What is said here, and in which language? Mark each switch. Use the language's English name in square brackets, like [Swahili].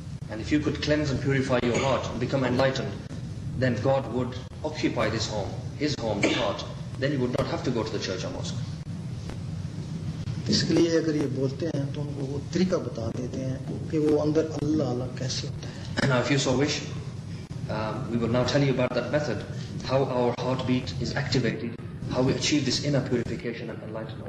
[English] And if you could cleanse and purify your heart and become enlightened, then God would occupy this home, His home, the heart. Then you would not have to go to the church or mosque. [Urdu] اس کے لیے اگر یہ بولتے ہیں تو ان کو وہ طریقہ بتا دیتے ہیں کہ وہ اندر اللہ اللہ کیسے ہوتا ہے. [English] Now if you so wish, we will now tell you about that method, how our heartbeat is activated, how we achieve this inner purification and enlightenment.